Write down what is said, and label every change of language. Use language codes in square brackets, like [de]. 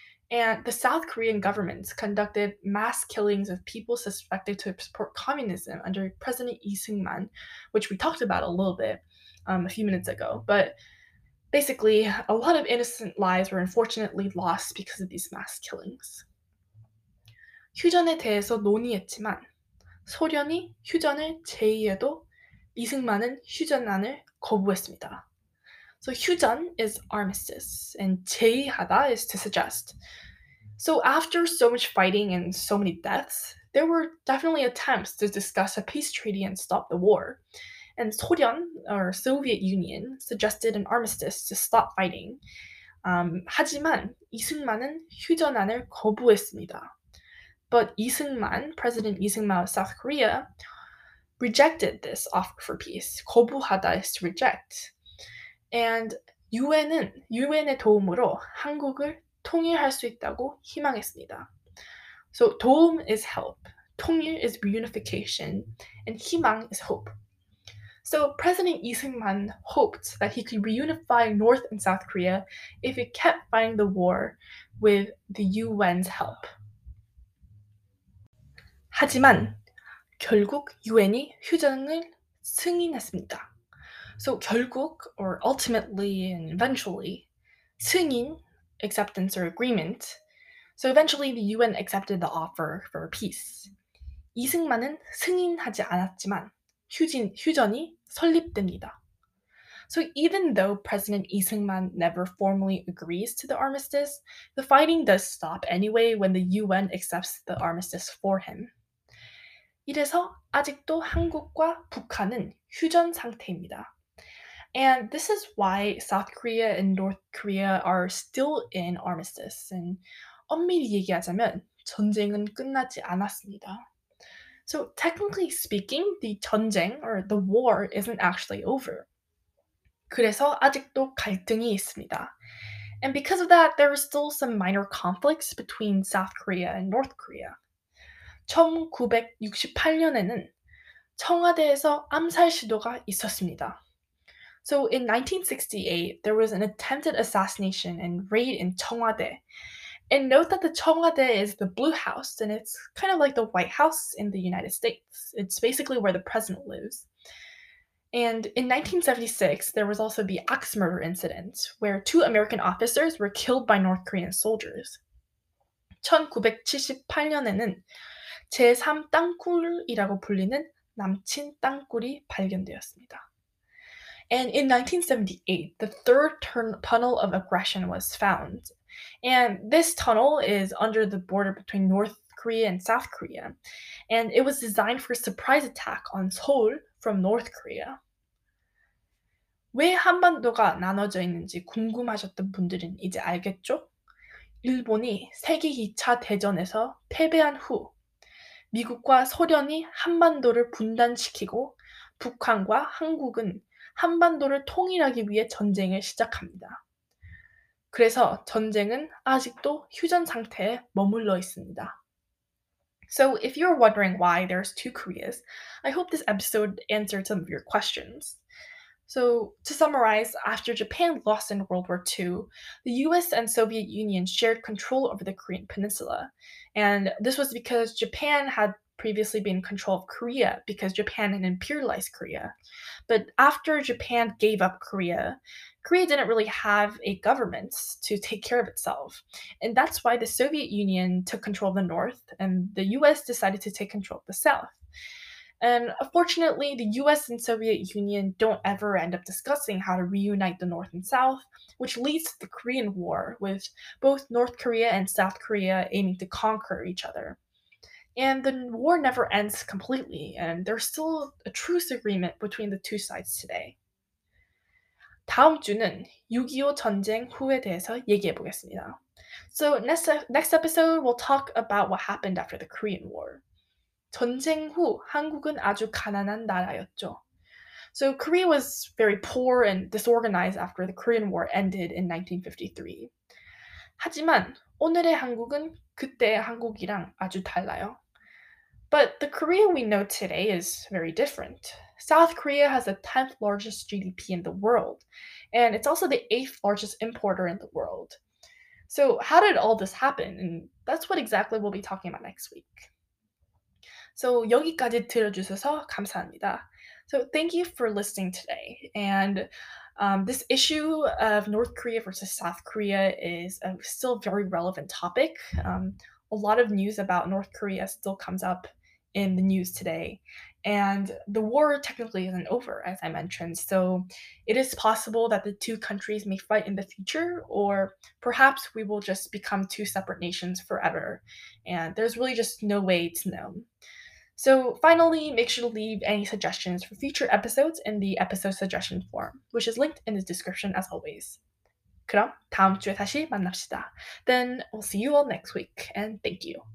[en] And the South Korean government conducted mass killings of people suspected to support communism under President Lee Seung-man, which we talked about a little bit a few minutes ago. But basically, a lot of innocent lives were unfortunately lost because of these mass killings. [ko] 휴전에 대해서 논의했지만, 소련이 휴전을 제의해도 이승만은 휴전안을 거부했습니다. [en] So 휴전 is armistice, and 제의하다 is to suggest. So after so much fighting and so many deaths, there were definitely attempts to discuss a peace treaty and stop the war. And 소련, or Soviet Union, suggested an armistice to stop fighting. [ko] 하지만 이승만은 휴전안을 거부했습니다. [en] But Lee Seung-man, President Lee Seung-man of South Korea, rejected this offer for peace. 거부하다 is to reject. [ko] And UN은 UN의 도움으로 한국을 통일할 수 있다고 희망했습니다. [en] So 도움 is help, 통일 is reunification, and 희망 is hope. So President Lee Seung-man hoped that he could reunify North and South Korea if he kept fighting the war with the UN's help. [ko] 하지만 결국 UN이 휴전을 승인했습니다. [en] So 결국, or ultimately and eventually, 승인, acceptance or agreement. So eventually the UN accepted the offer for peace. [ko] 이승만은 승인하지 않았지만 휴전이 설립됩니다. [en] So even though President Lee Seung-man never formally agrees to the armistice, the fighting does stop anyway when the UN accepts the armistice for him. [ko] 이래서 아직도 한국과 북한은 휴전 상태입니다. [en] And this is why South Korea and North Korea are still in armistice. And [ko] 엄밀히 얘기하자면 전쟁은 끝나지 않았습니다. [en] So technically speaking, the 전쟁 or the war isn't actually over. [ko] 그래서 아직도 갈등이 있습니다. [en] And because of that, there are still some minor conflicts between South Korea and North Korea. [ko] 1968년에는 청와대에서 암살 시도가 있었습니다. [en] So in 1968, there was an attempted assassination and raid in 청와대. And note that the 청와대 is the Blue House, and it's kind of like the White House in the United States. It's basically where the president lives. And in 1976, there was also the Axe murder incident, where two American officers were killed by North Korean soldiers. [ko] 1978년에는 제3 땅굴이라고 불리는 남친 땅굴이 발견되었습니다. [en] And in 1978, the third tunnel of aggression was found. And this tunnel is under the border between North Korea and South Korea. And it was designed for a surprise attack on Seoul from North Korea. [ko] 왜 한반도가 나눠져 있는지 궁금하셨던 분들은 이제 알겠죠? 일본이 세계 2차 대전에서 패배한 후, 미국과 소련이 한반도를 분단시키고 북한과 한국은 한반도를 통일하기 위해 전쟁을 시작합니다. 그래서 전쟁은 아직도 휴전 상태에 머물러 있습니다. [en] So if you're wondering why there's two Koreas, I hope this episode answered some of your questions. So to summarize, after Japan lost in World War II, the US and Soviet Union shared control over the Korean Peninsula. And this was because Japan had previously been in control of Korea because Japan had imperialized Korea. But after Japan gave up Korea, Korea didn't really have a government to take care of itself. And that's why the Soviet Union took control of the North and the US decided to take control of the South. And unfortunately, the US and Soviet Union don't ever end up discussing how to reunite the North and South, which leads to the Korean War, with both North Korea and South Korea aiming to conquer each other. And the war never ends completely, and there's still a truce agreement between the two sides today. [ko] 다음 주는 6.25 전쟁 후에 대해서 얘기해 보겠습니다. [en] So next episode, we'll talk about what happened after the Korean War. [ko] 전쟁 후 한국은 아주 가난한 나라였죠. [en] So Korea was very poor and disorganized after the Korean War ended in 1953. [ko] 하지만 오늘의 한국은 그때의 한국이랑 아주 달라요. [en] But the Korea we know today is very different. South Korea has the 10th largest GDP in the world, and it's also the 8th largest importer in the world. So how did all this happen? And that's what exactly we'll be talking about next week. [ko] So 여기까지 들어주셔서 감사합니다. [en] So thank you for listening today. And this issue of North Korea versus South Korea is a still very relevant topic. A lot of news about North Korea still comes up in the news today. And the war technically isn't over, as I mentioned. So it is possible that the two countries may fight in the future, or perhaps we will just become two separate nations forever. And there's really just no way to know. So finally, make sure to leave any suggestions for future episodes in the episode suggestion form, which is linked in the description as always. [ko] 그럼 다음 주에 다시 만납시다. [en] Then we'll see you all next week, and thank you.